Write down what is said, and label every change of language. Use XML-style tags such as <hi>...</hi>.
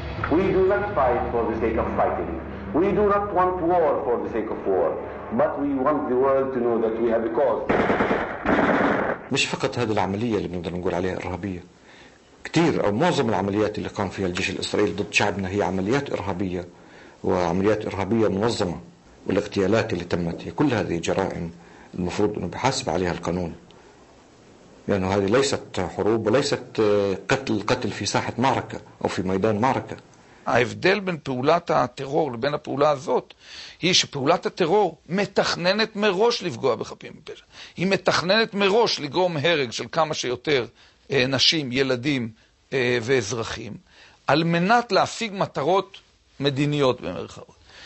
<en>We do not fight for the sake of fighting. We do not want war for the sake of war. But we want the world to know that we have a cause.</en> <ar>مش فقط هذه العملية اللي بنقدر نقول عليها إرهابية. كثير أو معظم العمليات اللي قام فيها الجيش الإسرائيلي ضد شعبنا هي عمليات إرهابية وعمليات إرهابية منظمة والاغتيالات اللي تمت هي كل هذه جرائم المفروض أنه بحاسب عليها القانون لأنه هذه ليست حروب وليست قتل في ساحة معركة أو في ميدان معركة</ar> <he>ההבדל בין פעולת הטרור לבין הפעולה הזאת היא שפעולת הטרור מתכננת מראש לפגוע בחפים מפשע. היא מתכננת מראש לגרום הרג של כמה שיותר נשים, ילדים ואזרחים, על מנת להשיג מטרות מדיניות במרכאות.</he>